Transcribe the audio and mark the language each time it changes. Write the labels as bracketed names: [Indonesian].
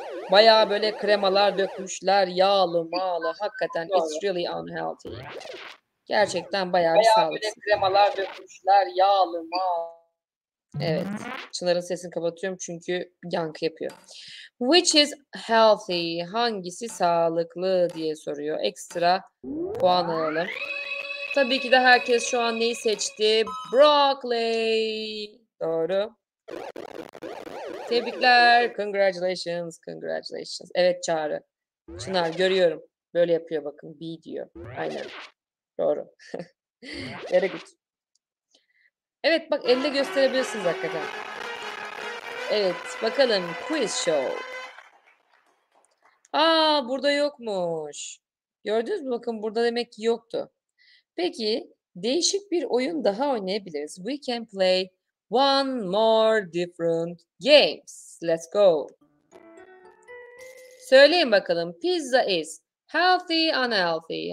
[Turkish] Bayağı böyle kremalar dökmüşler. Yağlı mağlı. Hakikaten [English] it's really unhealthy. [Turkish] Gerçekten bayağı bir sağlıksız. Bayağı böyle kremalar dökmüşler. Yağlı mağlı. Evet. Çınar'ın sesini kapatıyorum çünkü yankı yapıyor. [English] Which is healthy? [Turkish] Hangisi sağlıklı diye soruyor. Ekstra puan alalım. Tabii ki de herkes şu an neyi seçti? Broccoli. Doğru. Tebrikler. [English] Congratulations. Congratulations. [Turkish] Evet [English] Çağrı. [Turkish] Çınar görüyorum. Böyle yapıyor bakın. B diyor. Aynen. Doğru. [English] Very good. [Turkish] Evet bak elde gösterebilirsiniz hakikaten. Evet bakalım quiz show. Aa burada yokmuş. Gördünüz mü bakın burada demek ki yoktu. Peki değişik bir oyun daha oynayabiliriz. [English] We can play one more different games. Let's go. [Turkish] Söyleyin bakalım. [English] Pizza is healthy, unhealthy.